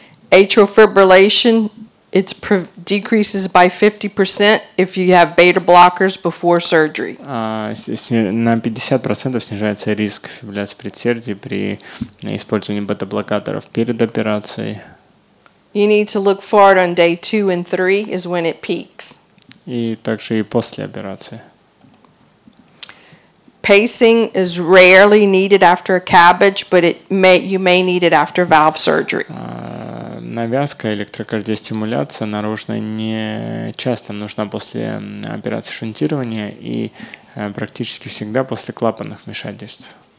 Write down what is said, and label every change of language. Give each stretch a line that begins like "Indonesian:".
English: Atrial fibrillation, it decreases by 50% if you have beta blockers before surgery.
Russian: На 50% снижается риск фибрилляции предсердий при использовании бета-блокаторов перед операцией.
English: You need to look forward on day 2 and 3 is when it peaks.
Russian: И также и после операции.
English: Pacing is rarely needed after a CABG, but you may need it after valve surgery.
Russian: Навязка, электрокардиостимуляция наружная не часто нужна после операции шунтирования и практически всегда после клапанных вмешательств.